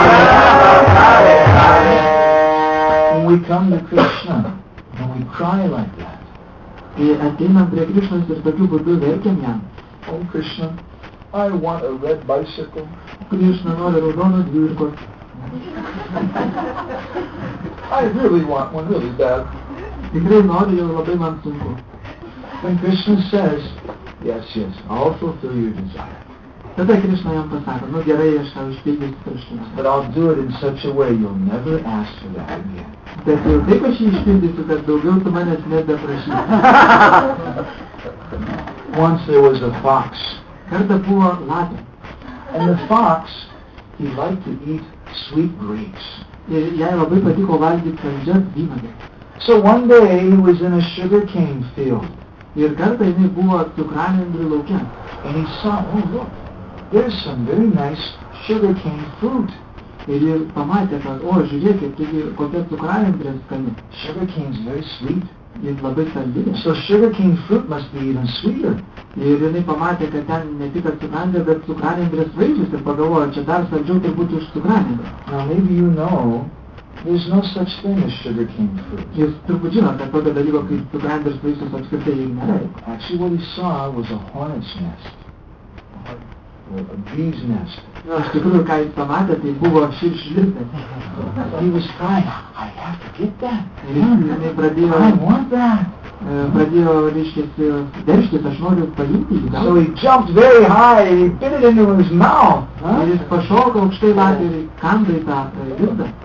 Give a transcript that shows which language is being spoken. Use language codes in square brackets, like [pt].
[en] When we come to Krishna, when we cry like that, [lt] we ateinam prie Krishnos ir tokiu būdu verkiam jam. [en] Om Krishna. I want a red bicycle. [lt] Krishna, not a raudoną dviratį. [en] I really want one really bad. [lt] Tikrai noriu, jau labai man sunku. [en] When Krishna says, yes, yes, I'll fulfill your desire. [lt] Tada Krishna jam pasako, nu gerai, aš tau išpildysiu troškimą. [en] But I'll do it in such a way you'll never ask for that again. [lt] Bet jau taip aš jį išpildysiu, kad daugiau tu manęs nebeprašysi. [en] Once there was a fox. [lt] Kartą buvo lapė. [en] And the fox, he liked to eat sweet grapes. [lt] Ir jai labai patiko valgyti saldžias vynuoges. [en] So one day he was in a sugar cane field. [lt] Ir kartą jinai buvo cukranendrių lauke. [en] And he saw, oh look, there's some very nice sugar cane fruit. [lt] Ir jis pamatė, kad, o žiūrėkit, taigi kokia cukranendrė skani. [en] Sugar cane's very sweet. [lt] Jis labai saldinė. [en] So sugar cane fruit must be even sweeter. [lt] Ir jinai pamatė, kad ten ne tik cukranendrė, bet cukranendrės vaisius ir pagalvojo, čia dar saldžiau tai būtų už cukranendrę. [en] Now maybe you know, there's no such thing as sugar cane fruit. [lt] Jis turbūt žino, kad tokio dalyko kaip cukranendrės vaisius apskritai jį nėra. [en] Actually what he saw was a hornet's nest. A bee's nest. [lt] No, iš tikrųjų, ką jis pamatė, tai buvo širšių lizdas. [en] He was crying, I have to get that. [lt] Ir jinai pradėjo... [en] I want that. [lt] Pradėjo, reiškia, derštis, aš noriu paimti jį. [en] So he jumped very high and he bit it into his mouth. [lt] Ir jis pašoko aukštai lapį ir kando į tą lizdą.